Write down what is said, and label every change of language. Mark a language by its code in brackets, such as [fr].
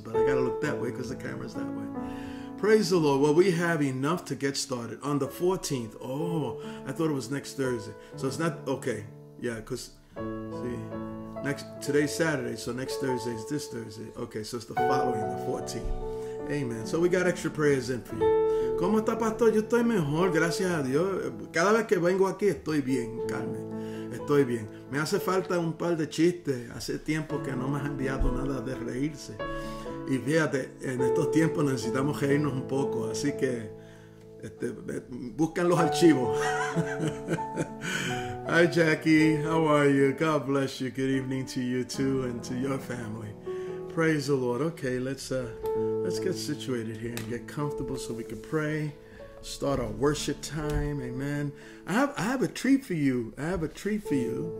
[en] But I got to look that way because the camera's that way. Praise the Lord. Well, we have enough to get started on the 14th. Oh, I thought it was next Thursday. So it's not. Okay. Yeah, because, see, today's Saturday, so next Thursday is this Thursday. Okay, so it's the following, the 14th. Amen. So we got extra prayers in for you. [es] ¿Cómo está, pastor? Yo estoy mejor, gracias a Dios. Cada vez que vengo aquí, estoy bien, Carmen. Estoy bien. Me hace falta un par de chistes. Hace tiempo que no me han enviado nada de reírse. Y fíjate, en estos tiempos necesitamos reírnos un poco, así que buscan los archivos. [en] Hi, Jackie. How are you? God bless you. Good evening to you too and to your family. Praise the Lord. Okay, let's get situated here and get comfortable so we can pray. Start our worship time. Amen. I have a treat for you. I have a treat for you.